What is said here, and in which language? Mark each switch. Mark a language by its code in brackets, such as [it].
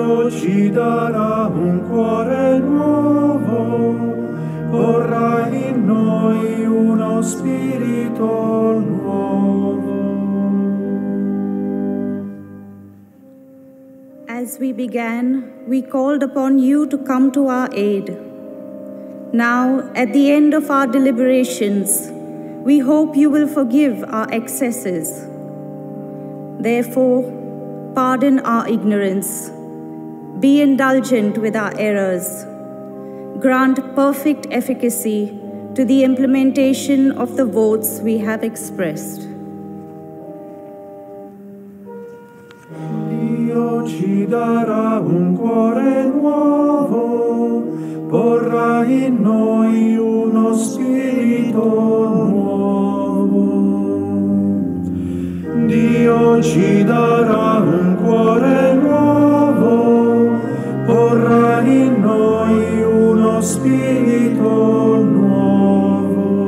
[it] ci darà un cuore nuovo, porrà in noi uno spirito nuovo. [en] As we began, we called upon you to come to our aid. Now, at the end of our deliberations, we hope you will forgive our excesses. Therefore, pardon our ignorance. Be indulgent with our errors. Grant perfect efficacy to the implementation of the votes we have expressed. [it] Dio ci darà un cuore nuovo, porrà in noi uno spirito nuovo. Dio ci darà un cuore nuovo, porrà in noi uno spirito nuovo.